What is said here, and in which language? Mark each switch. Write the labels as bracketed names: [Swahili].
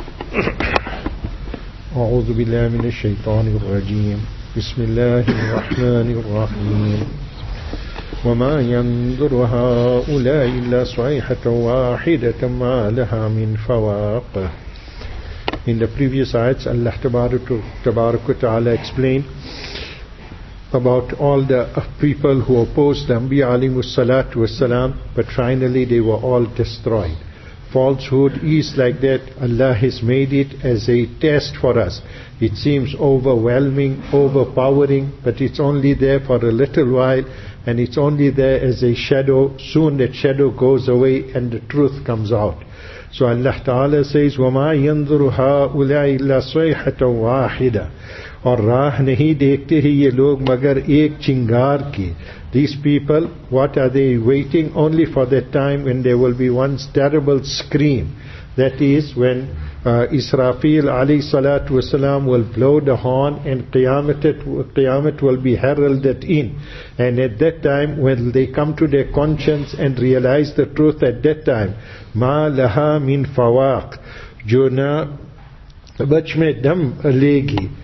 [Arabic] أعوذ بالله من الشيطان الرجيم. بسم الله الرحمن الرحيم. وما ينظر هؤلاء إلا صيحة واحدة ما لها من فواق. [English] In the previous ayats, Allah Tabarak wa Ta'ala explained about all the people who opposed the Anbiya alayhimus salatu was salam, but finally they were all destroyed. Falsehood is like that. Allah has made it as a test for us. It seems overwhelming, overpowering, but it's only there for a little while, and it's only there as a shadow. Soon that shadow goes away and the truth comes out. So Allah Ta'ala says, [Arabic] وَمَا يَنظُرُ هَٰؤُلَاء إِلَّا صَيْحَةً وَاحِدًا. [Urdu] اور راہ نہیں دیکھتے ہی یہ لوگ مگر ایک چنگار کی. [English] These people, what are they waiting? Only for that time when there will be one terrible scream. That is when Israfil alayhi salatu wasalam will blow the horn and Qiyamah will be heralded in. And at that time, when they come to their conscience and realize the truth at that time, [Arabic] ma laha min fawaq, [Urdu] juna bach mein dam legi.